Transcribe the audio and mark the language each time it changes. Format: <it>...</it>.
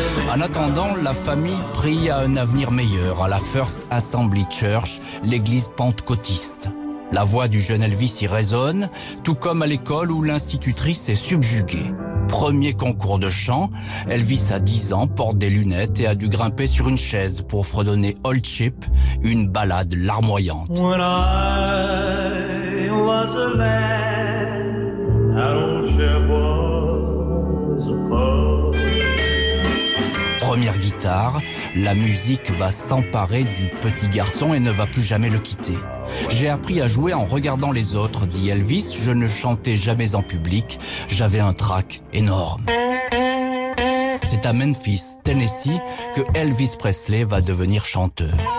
<fr>En attendant, la famille prie à un avenir meilleur à la First Assembly Church, l'église pentecôtiste. La voix du jeune Elvis y résonne, tout comme à l'école où l'institutrice est subjuguée. Premier concours de chant, Elvis a 10 ans, porte des lunettes et a dû grimper sur une chaise pour fredonner Old Chip, une ballade larmoyante.</fr> <en>When I was a lad, Old Chip was a pub.</en> <fr>Première guitare, la musique va s'emparer du petit garçon et ne va plus jamais le quitter. « J'ai appris à jouer en regardant les autres », dit Elvis. « Je ne chantais jamais en public. J'avais un trac énorme. » C'est à Memphis, Tennessee, que Elvis Presley va devenir chanteur.</fr>